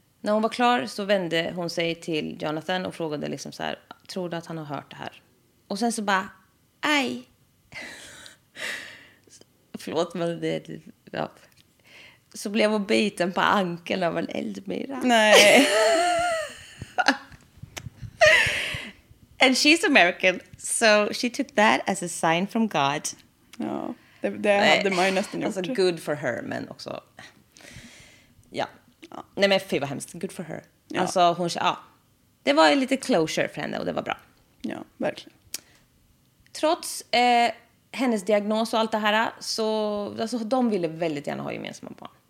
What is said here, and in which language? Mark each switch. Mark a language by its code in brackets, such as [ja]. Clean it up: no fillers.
[sv] När hon var klar så vände hon sig till Jonathan och frågade liksom så här, tror du att han har hört det här? Och sen så bara, aj. Förlåt, men det ja. Så blev hon biten på ankeln av en eldmyra. Nej. [en] And she's American, so she took that as a sign from God. [sv] Ja, det hade man ju nästan gjort. Alltså, [en] good for her, [sv] men också. Ja. Nej, men fy vad hemskt. [en] Good for her. [sv] Ja. Alltså, hon, ja. Det var ju lite closure för henne och det var bra. Ja, verkligen. Trots hennes diagnos och allt det här så alltså, de ville väldigt gärna ha gemensamma barn.